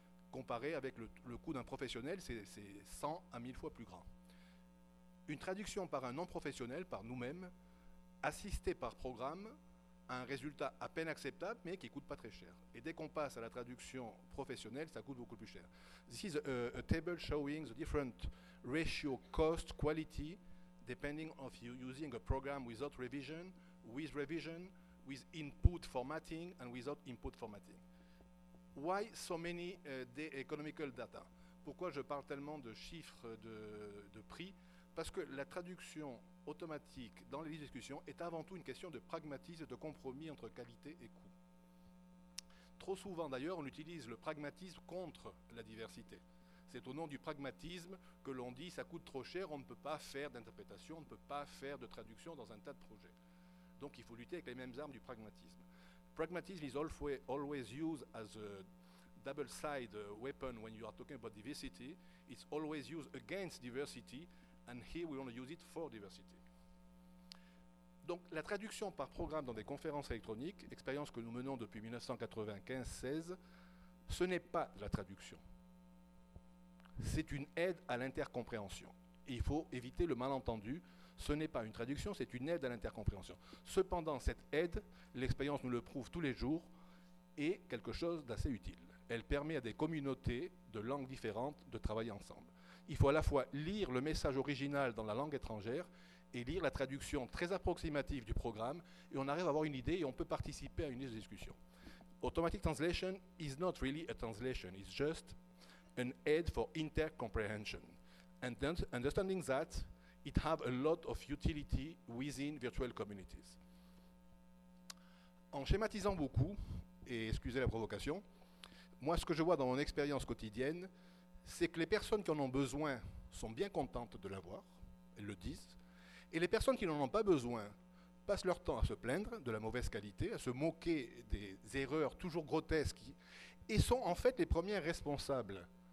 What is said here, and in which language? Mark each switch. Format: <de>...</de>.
<fr>Comparé avec le coût d'un professionnel, c'est 100 à 1000 fois plus grand. Une traduction par un non-professionnel, par nous-mêmes, assistée par programme, a un résultat à peine acceptable, mais qui ne coûte pas très cher. Et dès qu'on passe à la traduction professionnelle, ça coûte beaucoup plus cher.</fr> <en>This is a table showing the different ratio cost quality depending on you using a program without revision, with input formatting, and without input formatting. Why so many economical data?</en> <fr>Pourquoi je parle tellement de chiffres de prix? Parce que la traduction automatique dans les discussions est avant tout une question de pragmatisme et de compromis entre qualité et coût. Trop souvent d'ailleurs, on utilise le pragmatisme contre la diversité. C'est au nom du pragmatisme que l'on dit ça coûte trop cher, on ne peut pas faire d'interprétation, on ne peut pas faire de traduction dans un tas de projets. Donc il faut lutter avec les mêmes armes du pragmatisme.</fr> <en>Pragmatism is always used as a double-sided weapon when you are talking about diversity. It's always used against diversity, and here we want to use it for diversity.</en> <fr>Donc, la traduction par programme dans des conférences électroniques, expérience que nous menons depuis 1995-16, ce n'est pas la traduction. C'est une aide à l'intercompréhension. Et il faut éviter le malentendu. Ce n'est pas une traduction, c'est une aide à l'intercompréhension. Cependant, cette aide, l'expérience nous le prouve tous les jours, est quelque chose d'assez utile. Elle permet à des communautés de langues différentes de travailler ensemble. Il faut à la fois lire le message original dans la langue étrangère et lire la traduction très approximative du programme, et on arrive à avoir une idée et on peut participer à une discussion.</fr> <en>Automatic translation is not really a translation, it's just an aid for intercomprehension. And understanding that, it has a lot of utility within virtual communities.</en> <fr>En schématisant beaucoup, et excusez la provocation, moi ce que je vois dans mon expérience quotidienne, c'est que les personnes qui en ont besoin sont bien contentes de l'avoir, elles le disent, et les personnes qui n'en ont pas besoin passent leur temps à se plaindre de la mauvaise qualité, à se moquer des erreurs toujours grotesques, et sont en fait les premières responsables.</fr>